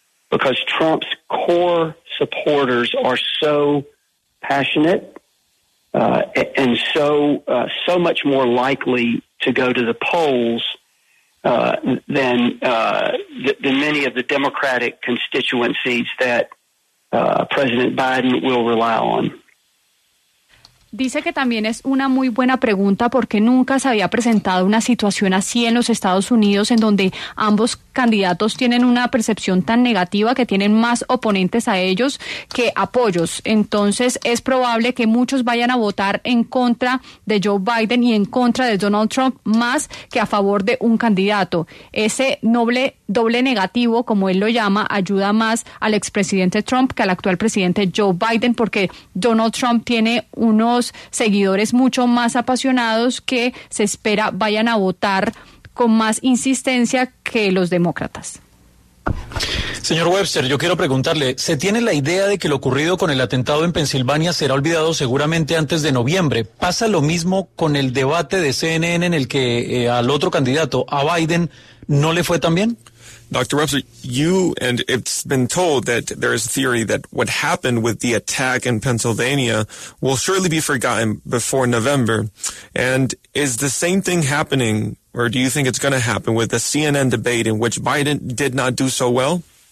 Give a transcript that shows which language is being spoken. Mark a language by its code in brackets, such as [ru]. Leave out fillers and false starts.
[en] because Trump's core supporters are so passionate and so much more likely to go to the polls than many of the Democratic constituencies that President Biden will rely on. [es] Dice que también es una muy buena pregunta porque nunca se había presentado una situación así en los Estados Unidos en donde ambos candidatos tienen una percepción tan negativa que tienen más oponentes a ellos que apoyos. Entonces es probable que muchos vayan a votar en contra de Joe Biden y en contra de Donald Trump más que a favor de un candidato. Ese doble negativo, como él lo llama, ayuda más al expresidente Trump que al actual presidente Joe Biden, porque Donald Trump tiene unos seguidores mucho más apasionados que se espera vayan a votar con más insistencia que los demócratas. Señor Webster, yo quiero preguntarle, ¿se tiene la idea de que lo ocurrido con el atentado en Pensilvania será olvidado seguramente antes de noviembre? ¿Pasa lo mismo con el debate de CNN en el que al otro candidato, a Biden, no le fue tan bien? [en] Dr. Webster, you and it's been told that there is a theory that what happened with the attack in Pennsylvania will surely be forgotten before November. And is the same thing happening, or do you think it's going to happen with the CNN debate in which Biden did not do so well?